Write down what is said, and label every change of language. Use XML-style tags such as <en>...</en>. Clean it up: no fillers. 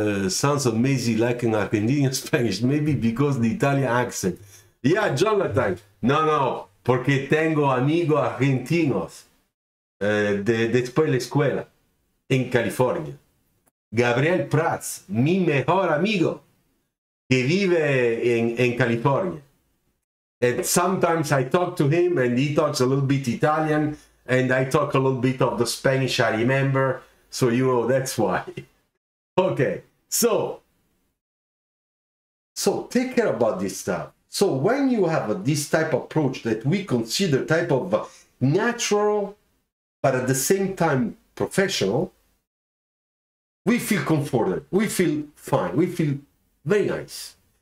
<en>Sounds amazing, like an Argentinian Spanish, maybe because the Italian accent. Yeah, Jonathan. No.</en> <es>Porque tengo amigos argentinos después de la escuela en California. Gabriel Prats, mi mejor amigo, que vive en California.</es> <en>And sometimes I talk to him and he talks a little bit Italian and I talk a little bit of the Spanish I remember. So, you know, that's why. Okay, so take care about this stuff. So when you have this type of approach that we consider type of natural, but at the same time professional, we feel comforted, we feel fine, we feel very nice.</en>